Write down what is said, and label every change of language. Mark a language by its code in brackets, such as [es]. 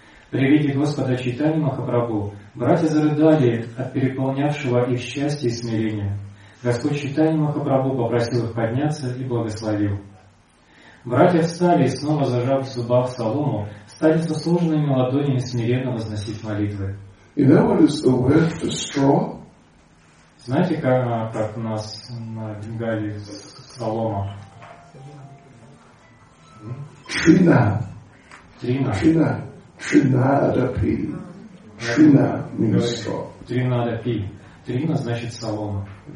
[ru] При виде Господа Чайтанья Махапрабху братья зарыдали от переполнявшего их счастья и смирения. Господь Чайтанья Махапрабху попросил их подняться и благословил. Братья встали и, снова зажав в зубах солому, стали со сложенными ладонями смиренно возносить молитвы. [en] You know what is the word for straw? [ru] Знаете, как у нас на Бенгалии солома? Трина. Трина. [en] Трина. Тринадапи. Трина means straw. [ru] Тринадапи. Трина значит солома.